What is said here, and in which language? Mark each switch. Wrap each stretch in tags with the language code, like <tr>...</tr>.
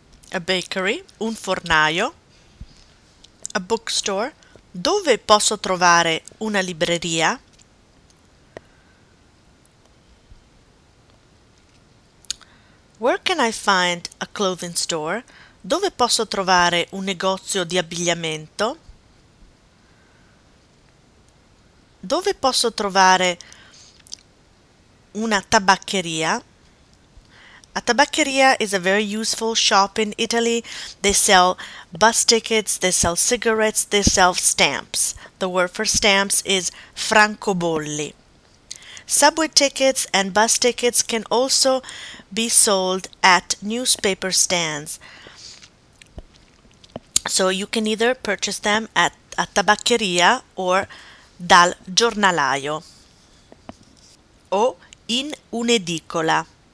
<en>A bakery,</en> <it>un fornaio,</it> <en>a bookstore.</en> <it>Dove posso trovare una libreria?</it> <en>Where can I find a clothing store?</en> <it>Dove posso trovare un negozio di abbigliamento? Dove posso trovare una tabaccheria?</it> <en>A tabaccheria is a very useful shop in Italy. They sell bus tickets, they sell cigarettes, they sell stamps. The word for stamps is francobolli. Subway tickets and bus tickets can also be sold at newspaper stands. So you can either purchase them at a tabaccheria or</en> <it>dal giornalaio o in un'edicola.</it>